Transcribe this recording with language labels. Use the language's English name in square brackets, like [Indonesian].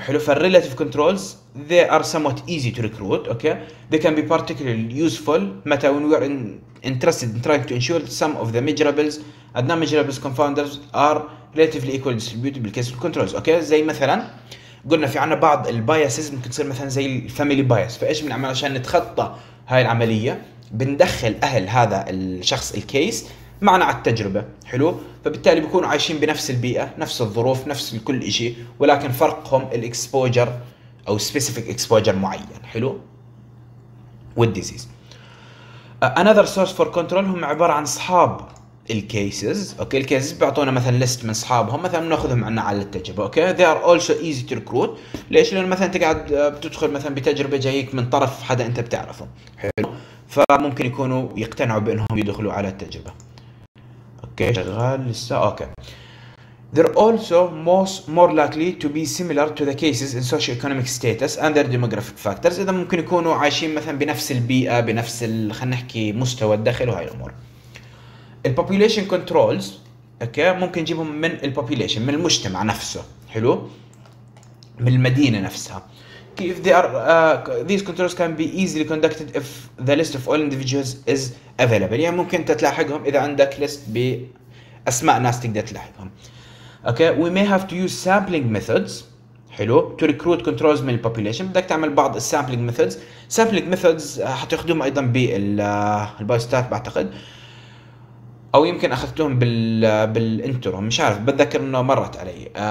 [English] حلو، فالrelative controls they are somewhat easy to recruit. okay they can be particularly useful متى when we are interested in trying to ensure that some of the measurables and non-measurables confounders are relatively equally distributed بالكيس controls. [Arabic] okay زي مثلا قلنا في عنا بعض البايسز ممكن تصير مثلا زي الفاميلي بايس. فايش بنعمل عشان نتخطى هاي العمليه؟ بندخل اهل هذا الشخص الكيس معنا على التجربه. حلو، فبالتالي بيكونوا عايشين بنفس البيئه، نفس الظروف، نفس كل شيء، ولكن فرقهم الاكسبوجر او سبيسيفيك اكسبوجر معين. حلو، والديزيز انذر سورس فور كنترول هم عباره عن اصحاب الكيسز. اوكي، الكيسز بيعطونا مثلا ليست من اصحابهم، مثلا بناخذهم عنا على التجربه. اوكي، [English] they are also easy to recruit. [Arabic] ليش؟ لان مثلا انت قاعد بتدخل مثلا بتجربه جايك من طرف حدا انت بتعرفه. حلو، فممكن يكونوا يقتنعوا بانهم يدخلوا على التجربه. اوكي، شغال لسه. [English] Okay, they're also more likely to be similar to the cases in socio-economic status and their demographic factors. [Arabic] اذا ممكن يكونوا عايشين مثلا بنفس البيئه، بنفس خلينا نحكي مستوى الدخل وهي الامور. ال population controls اوكي ممكن نجيبهم من ال population، من المجتمع نفسه. حلو، من المدينة نفسها. [English] if they are these controls can be easily conducted if the list of all individuals is available. [Arabic] يعني ممكن تتلاحقهم اذا عندك list باسماء ناس تقدر تلاحقهم. [English] Okay, we may have to use sampling methods. حلو، to recruit controls من ال population [Arabic] بدك تعمل بعض ال [English] sampling methods. [Arabic] sampling methods حتاخذوهم ايضا بال biostat بعتقد، او يمكن اخذتهم بالانترو مش عارف، بتذكر انه مرت علي.